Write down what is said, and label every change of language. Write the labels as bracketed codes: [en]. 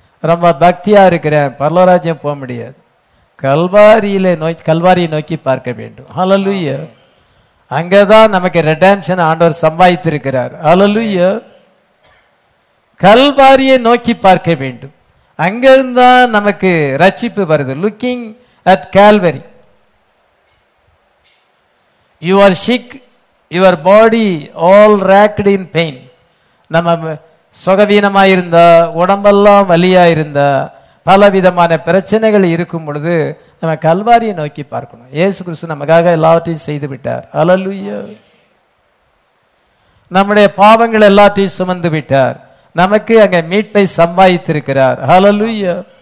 [ta] ரொம்ப பக்தியா இருக்கிறேன், பரலோராஜ்யம் போக முடியாது. கல்வாரியை நோக்கி பார்க்க வேண்டும். ஹல்லேலூயா. அங்கதான் நமக்கு ரிடெம்ஷன் ஆண்டவர் சம்பாதித்திருக்கிறார். ஹல்லேலூயா. கல்வாரியை நோக்கி பார்க்க வேண்டும், அங்கிருந்தான் நமக்கு ரட்சிப்பு வருது. [en] Looking at Calvary. You are sick, your body all racked in pain. [ta] நம்ம சுகவீனமாயிருந்தா, உடம்பெல்லாம் வலியா இருந்தா, பலவிதமான பிரச்சனைகள் இருக்கும் பொழுது நம்ம கல்வாரியை நோக்கி பார்க்கணும். இயேசு கிறிஸ்து நமக்காக எல்லாவற்றையும் செய்து விட்டார். அல்லேலூயா. நம்முடைய பாவங்கள் எல்லாத்தையும் சுமந்து விட்டார், நமக்கு அங்க மீட்பை சம்பாதித்திருக்கிறார். அல்லேலூயா.